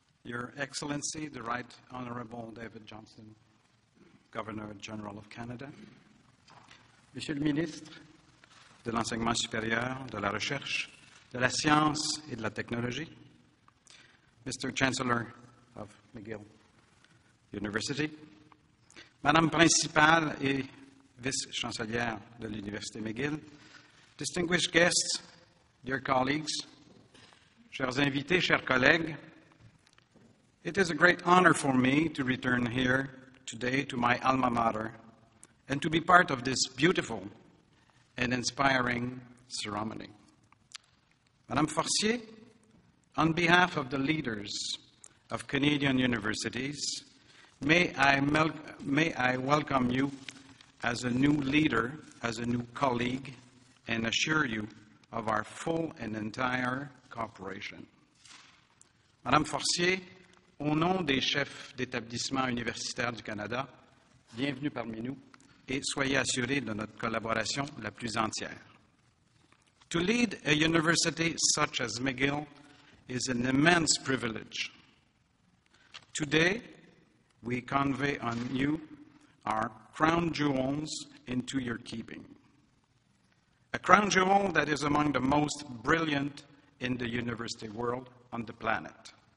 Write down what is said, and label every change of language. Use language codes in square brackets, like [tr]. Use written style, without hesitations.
[en] Your Excellency, the Right Honorable David Johnston, Governor General of Canada. [fr] Monsieur le Ministre, de l'enseignement supérieur, de la recherche, de la science et de la technologie. [en] Mr. Chancellor of McGill University. [fr] Madame principale et vice-chancelière de l'Université McGill. [en] Distinguished guests, dear colleagues, [fr] chers invités, chers collègues, [en] it is a great honor for me to return here today to my alma mater and to be part of this beautiful and inspiring ceremony. Madame Forcier, on behalf of the leaders of Canadian universities, may I welcome you as a new leader, as a new colleague, and assure you of our full and entire cooperation. [fr] Madame Forcier, au nom des chefs d'établissement universitaire du Canada, bienvenue parmi nous et soyez assurés de notre collaboration la plus entière. [en] To lead a university such as McGill is an immense privilege. Today, we convey on you our crown jewels into your keeping. A crown jewel that is among the most brilliant in the university world on the planet.